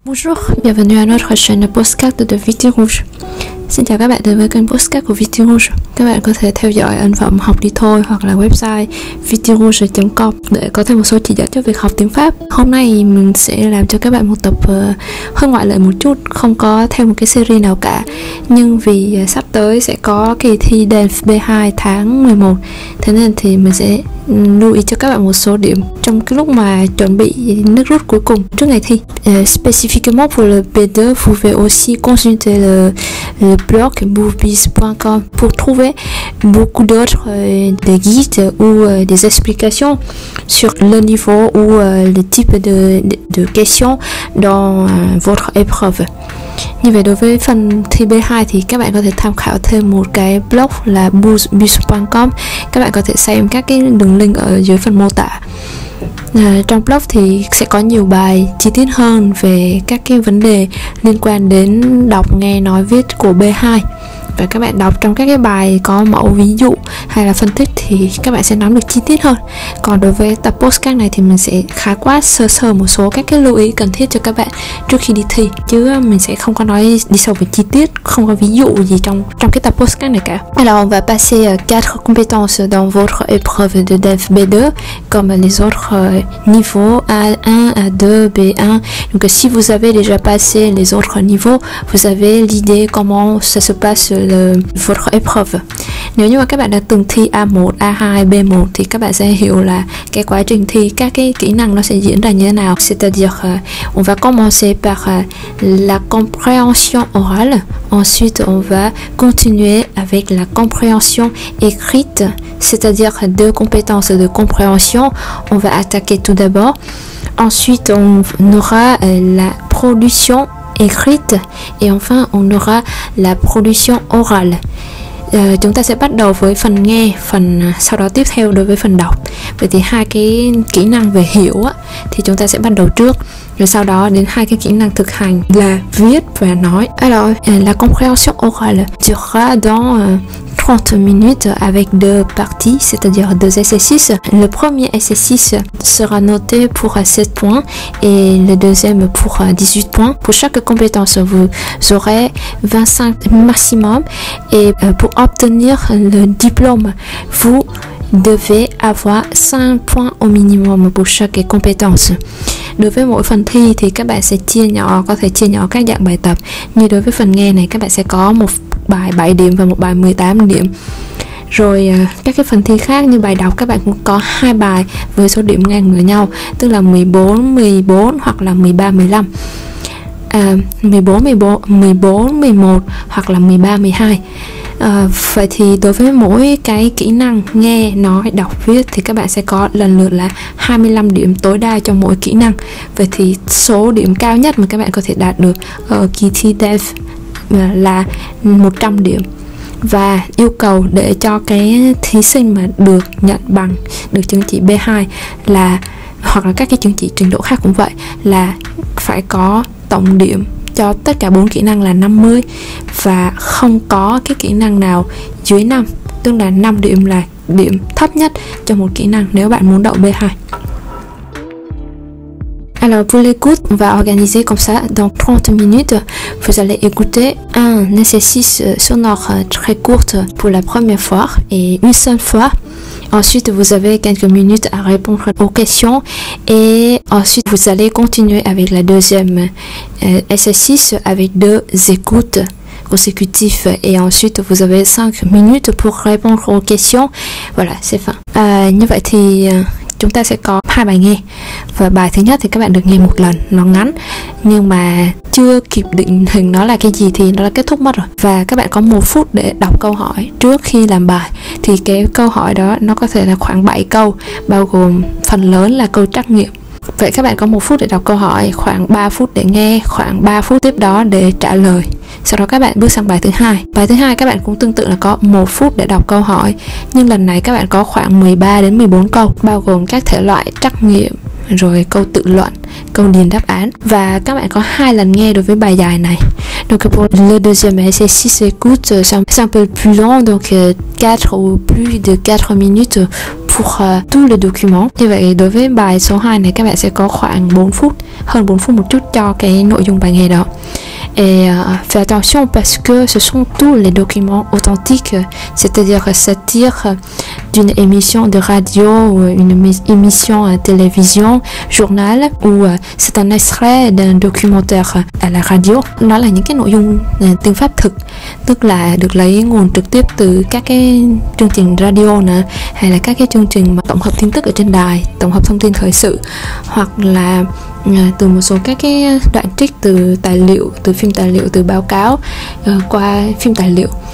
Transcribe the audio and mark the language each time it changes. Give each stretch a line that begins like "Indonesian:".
French: Bonjour, bienvenue à notre chaîne Postcard de Viti Rouge.
Vietnamese: Xin chào các bạn đến với kênh Postcard của Viti Rouge. Các bạn có thể theo dõi ấn phẩm học đi thôi hoặc là website vitirouge.com để có thêm một số chỉ dẫn cho việc học tiếng Pháp. Hôm nay mình sẽ làm cho các bạn một tập hơi ngoại lệ một chút, không có theo một cái series nào cả. Nhưng vì sắp tới sẽ có kỳ thi DELF B2 tháng 11, thế nên thì mình sẽ lưu ý cho các bạn một số điểm trong cái lúc mà chuẩn bị nước rút cuối cùng trước ngày thi.
French: Spécifiquement pour le B2, vous pouvez aussi consulter le blog moviebiz.com pour trouver beaucoup d'autres des guides ou des explications sur le niveau ou le type de questions dans votre épreuve.
Vietnamese: Như vậy đối với phần thi B2 thì các bạn có thể tham khảo thêm một cái blog là moviebiz.com. Các bạn có thể xem các cái đường link ở dưới phần mô tả. Trong blog thì sẽ có nhiều bài chi tiết hơn về các cái vấn đề liên quan đến đọc, nghe, nói, viết của B2. Và các bạn đọc trong các cái bài có mẫu ví dụ hay là phân tích thì các bạn sẽ nắm được chi tiết hơn. Còn đối với tập postcard này thì mình sẽ khái quát sơ sơ một số các cái lưu ý cần thiết cho các bạn trước khi đi thi. Chứ mình sẽ không có nói đi sâu về chi tiết, không có ví dụ gì trong cái tập postcard này cả.
French: Alors on va passer 4 compétences dans votre épreuve de DELF B2 comme les autres niveaux A1, A2, B1. Donc si vous avez déjà passé les autres niveaux, vous avez l'idée comment ça se passe votre épreuve.
Vietnamese: Nếu như mà các bạn đã từng thi A1, A2, B1 thì các bạn sẽ hiểu là cái quá trình thi, các cái kỹ năng nó sẽ diễn ra như thế nào.
French: C'est-à-dire on va commencer par la compréhension orale, ensuite on va continuer avec la compréhension écrite, c'est-à-dire deux compétences de compréhension, on va attaquer tout d'abord. Ensuite on aura la production écrite et enfin on aura la production orale.
Vietnamese: Chúng ta sẽ bắt đầu với phần nghe, phần sau đó tiếp theo đối với phần đọc. Vậy thì hai cái kỹ năng về hiểu á, thì chúng ta sẽ bắt đầu trước, rồi sau đó đến hai cái kỹ năng thực hành là viết và nói.
French: Alors, la compréhension orale durera dans 30 minutes avec deux parties, c'est-à-dire deux exercices. Le premier exercice sera noté pour 7 points et le deuxième pour 18 points. Pour chaque compétence, vous aurez 25 maximum. Et pour obtenir le diplôme, vous devez avoir 5 points au minimum pour chaque compétence.
Vietnamese: Đối với mỗi phần thi thì các bạn sẽ chia nhỏ, có thể chia nhỏ các dạng bài tập. Như đối với phần nghe này, các bạn sẽ có một bài 7 điểm và một bài 18 điểm. Rồi các cái phần thi khác như bài đọc, các bạn cũng có hai bài với số điểm ngang ngửa nhau, tức là 14, 14 hoặc là 13, 15. 14, 14, 14, 11 hoặc là 13, 12. Vậy thì đối với mỗi cái kỹ năng nghe, nói, đọc, viết thì các bạn sẽ có lần lượt là 25 điểm tối đa cho mỗi kỹ năng. Vậy thì số điểm cao nhất mà các bạn có thể đạt được ở kỳ thi DELF là 100 điểm. Và yêu cầu để cho cái thí sinh mà được nhận bằng, được chứng chỉ B2 là, hoặc là các cái chứng chỉ trình độ khác cũng vậy, là phải có tổng điểm cho tất cả 4 kỹ năng là 50 và không có cái kỹ năng nào dưới 5, tức là 5 điểm là điểm thấp nhất cho một kỹ năng nếu bạn muốn đậu B2.
French: Alors pour l'écoute, on va organiser comme ça. Dans 30 minutes, vous allez écouter un exercice sonore très court pour la première fois et une seule fois. Ensuite, vous avez quelques minutes à répondre aux questions et ensuite, vous allez continuer avec la deuxième exercice avec deux écoutes consécutifs et ensuite vous avez 5 minutes pour répondre aux questions. Voilà, c'est fin.
Vietnamese: Như vậy thì chúng ta sẽ có hai bài nghe. Và bài thứ nhất thì các bạn được nghe một lần, nó ngắn nhưng mà chưa kịp định hình nó là cái gì thì nó đã kết thúc mất rồi. Và các bạn có 1 phút để đọc câu hỏi trước khi làm bài. Thì cái câu hỏi đó nó có thể là khoảng 7 câu, bao gồm phần lớn là câu trắc nghiệm. Vậy các bạn có 1 phút để đọc câu hỏi, khoảng 3 phút để nghe, khoảng 3 phút tiếp đó để trả lời. Sau đó các bạn bước sang bài thứ hai. Bài thứ hai các bạn cũng tương tự là có 1 phút để đọc câu hỏi, nhưng lần này các bạn có khoảng 13 đến 14 câu, bao gồm các thể loại trắc nghiệm, rồi câu tự luận, câu điền đáp án. Và các bạn có 2 lần nghe đối với bài dài này.
French: Donc pour le deuxième exercice, écoute, c'est un peu plus long, donc 4 ou plus de 4 minutes pour tout le document.
Vietnamese: Như vậy đối với bài số 2 này các bạn sẽ có khoảng 4 phút, hơn 4 phút một chút cho cái nội dung bài nghe đó.
French: Et fais attention parce que ce sont tous les documents authentiques, c'est-à-dire ça tire d'une émission de radio ou une émission à télévision, journal ou c'est un extrait d'un documentaire à la radio.
Vietnamese: Nó là những cái nội dung tiếng Pháp thực, tức là được lấy nguồn trực tiếp từ các cái chương trình radio nữa, hay là các cái chương trình mà tổng hợp tin tức ở trên đài, tổng hợp thông tin thời sự, hoặc là từ một số các cái đoạn trích từ tài liệu, từ phim tài liệu, từ báo cáo qua phim tài liệu.